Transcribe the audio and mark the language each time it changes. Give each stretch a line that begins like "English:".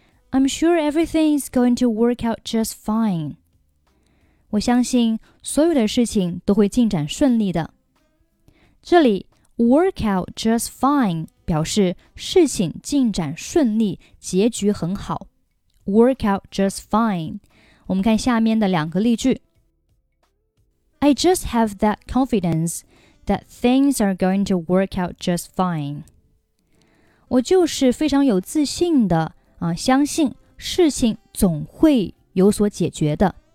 English: I'm sure everything is going to work out just fine.
Chinese: 我相信所有的事情都会进展顺利的。这里
English: work out just fine
Chinese: 表示事情进展顺利，结局很好。
English: Work out just fine.
Chinese: 我们看下面的两个例句。
English: I just have that confidence that things are going to work out just fine.
Chinese: 我就是非常有自信的、啊、相信事情总会有所解决的。